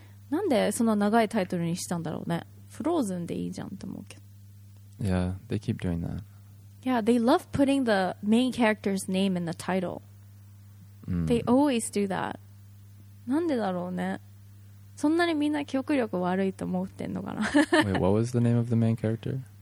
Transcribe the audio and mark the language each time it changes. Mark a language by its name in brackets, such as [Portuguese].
[Japanese] なんでそんな長いタイトルにしたんだろうね Frozen でいいじゃんって思うけど [English] Yeah, they keep doing that. Yeah, they love putting the main character's name in the title.、 [Japanese] うん、 [English] they always do that. [Japanese] なんでだろうねそんなにみんな記憶力悪いと思ってんのかな [English] Wait, what was the name of the main character?